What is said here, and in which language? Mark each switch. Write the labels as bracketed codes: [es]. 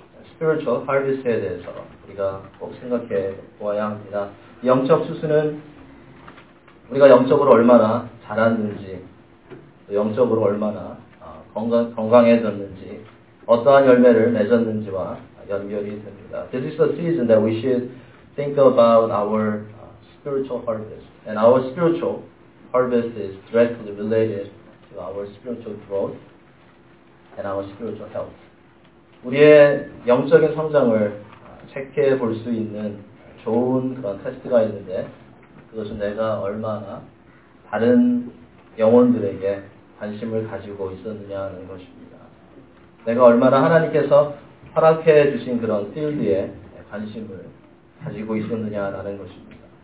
[en] Spiritual Harvest [ko] 에 대해서 우리가 꼭 생각해 보아야 합니다. 영적 추수는 우리가 영적으로 얼마나 자랐는지 또 영적으로 얼마나 건강해졌는지 어떠한 열매를 맺었는지와 연결이 됩니다. [en] This is the season that we should think about our spiritual harvest. And our spiritual harvest is directly related to our spiritual growth and our spiritual health. [ko] 우리의 영적인 성장을 체크해 볼 수 있는 좋은 그런 테스트가 있는데 그것은 내가 얼마나 다른 영혼들에게 관심을 가지고 있었느냐 하는 것입니다. 내가 얼마나 하나님께서 허락해 주신 그런 필드에 관심을 가지고 있었느냐 라는 것입니다.